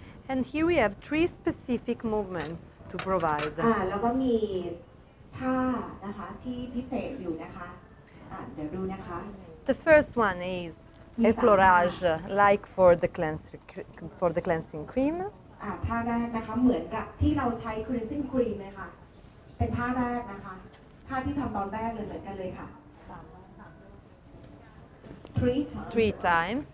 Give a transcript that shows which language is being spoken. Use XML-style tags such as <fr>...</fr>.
<en>And here we have three specific movements to provide.</en> <th>แล้วก็มีท่านะคะที่พิเศษอยู่นะคะเดี๋ยวดูนะคะ</th> <en>The first one is effleurage, like for the cleansing cream.</en> <th>ท่าแรกนะคะเหมือนกับที่เราใช้ cleansing cream เลยค่ะเป็นท่าแรกนะคะท่าที่ทำตอนแรกเลยเหมือนกันเลยค่ะ</th> <en>Three times,</en>